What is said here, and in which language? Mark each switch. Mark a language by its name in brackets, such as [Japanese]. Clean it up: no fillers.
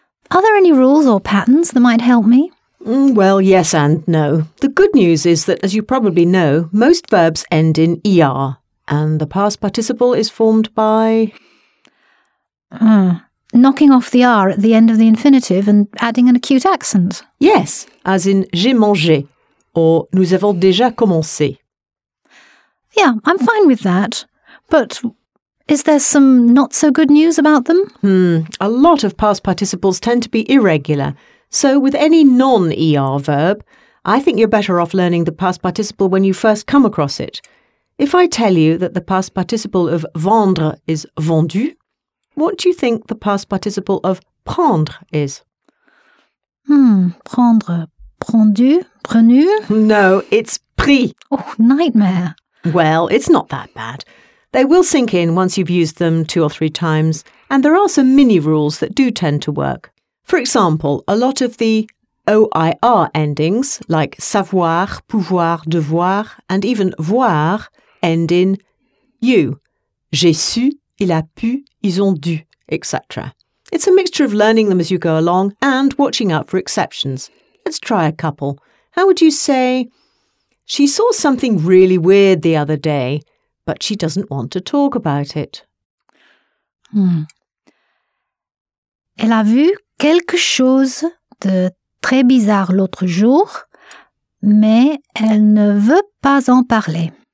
[English] Are there any rules or patterns that might help me? Well, yes and no. The good news is that, as you probably know, most verbs end in ER. And the past participle is formed by... Knocking off the R at the end of the infinitive and adding an acute accent. Yes, as in [French] j'ai mangé, or nous avons déjà commencé. [English] Yeah, I'm fine with that. But is there some not-so-good news about them? A lot of past participles tend to be irregular. So with any non-ER verb, I think you're better off learning the past participle when you first come across it. If I tell you that the past participle of vendre is vendu, what do you think the past participle of prendre is? [French] Prendre, prendu, prenu? [English] No, it's pris. Oh, nightmare. Well, it's not that bad. They will sink in once you've used them two or three times, and there are some mini rules that do tend to work. For example, a lot of the OIR endings, like savoir, pouvoir, devoir, and even voir, end in you. [French] J'ai su, il a pu, ils ont dû, etc. [English] It's a mixture of learning them as you go along and watching out for exceptions. Let's try a couple. How would you say, she saw something really weird the other day, but she doesn't want to talk about it? [French] Elle a vu quelque chose de très bizarre l'autre jour, mais elle ne veut pas en parler.